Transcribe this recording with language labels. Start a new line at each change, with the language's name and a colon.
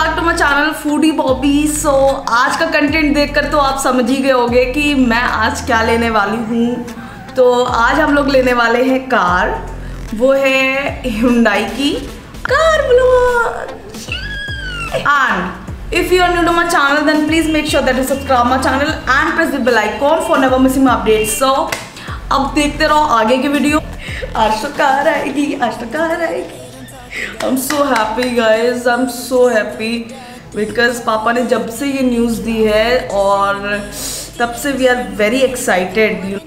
Hindi: आज का कंटेंट देखकर तो आप समझ ही गए होंगे कि मैं आज क्या लेने वाली हूँ। तो आज हम लोग लेने वाले हैं कार, वो है Hyundai की car blog.
English: If you are new to my channel, then please make sure that you subscribe my channel and press the bell icon for never missing my updates.
Hindi: So, अब देखते रहो आगे की video. आज तो car आएगी।
English: I'm so happy, guys. I'm so happy because
Hindi: पापा ने जब से ये न्यूज़ दी है और तब से
English: we are very excited.